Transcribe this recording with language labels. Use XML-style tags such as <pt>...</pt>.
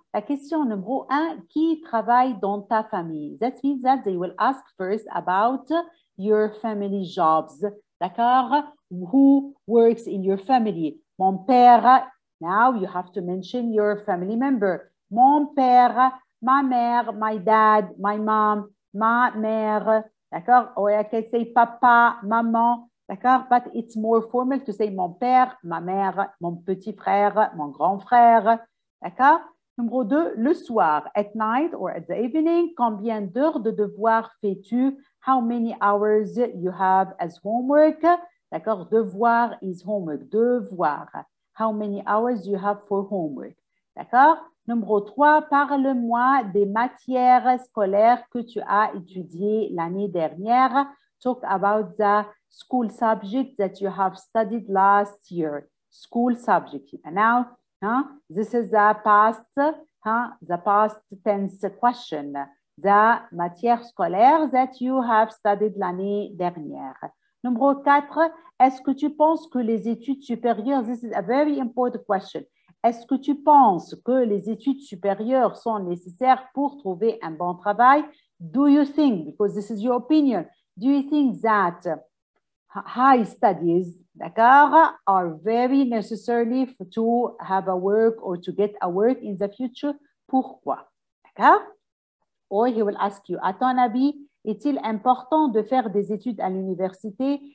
<fr>La question numéro un, qui travaille dans ta famille?</fr> <en>That means that they will ask first about your family jobs, d'accord? Who works in your family?</en> <fr>Mon père,</fr> <en>now you have to mention your family member.</en> <fr>Mon père, ma mère,</fr> <en>my dad, my mom,</en> <fr>ma mère, d'accord?</fr> <en>Or I can say papa, maman, d'accord? But it's more formal to say</en> <fr>mon père, ma mère, mon petit frère, mon grand frère, d'accord? Numéro 2, le soir,</fr> <en>at night or at the evening,</en> <fr>combien d'heures de devoirs fais-tu?</fr> <en>How many hours you have as homework? D'accord? Devoir is homework, devoir. How many hours you have for homework? D'accord?</en> <fr>Numéro 3, parle-moi des matières scolaires que tu as étudiées l'année dernière.</fr> <en>Talk about the school subject that you have studied last year. School subject. And now, this is the past tense question. The matières scolaires that you have studied</en> <fr>l'année dernière. Numéro 4, est-ce que tu penses que les études supérieures,</fr> <en>this is a very important question.</en> <fr>Est-ce que tu penses que les études supérieures sont nécessaires pour trouver un bon travail?</fr> <en>Do you think, because this is your opinion, do you think that high studies, d'accord, are very necessary to have a work or to get a work in the future? Pourquoi? D'accord? Or he will ask you,</en> <fr>à ton avis, est-il important de faire des études à l'université?</fr>